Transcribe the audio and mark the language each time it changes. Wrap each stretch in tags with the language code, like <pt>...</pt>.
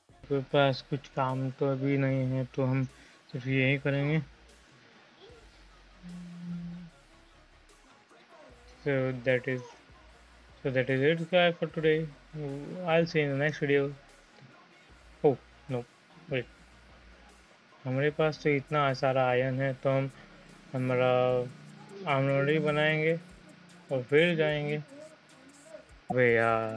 <hi>मेरे पास कुछ काम तो अभी नहीं है, तो हम सिर्फ यही करेंगे।</hi> <en>So that is it, guys, for today. I'll see you in the next video. Oh no, wait.</en> <hi>हमारे पास तो इतना सारा आयरन है, तो हम हमारा आर्मरी बनाएंगे और फिर जाएंगे। भैया</hi>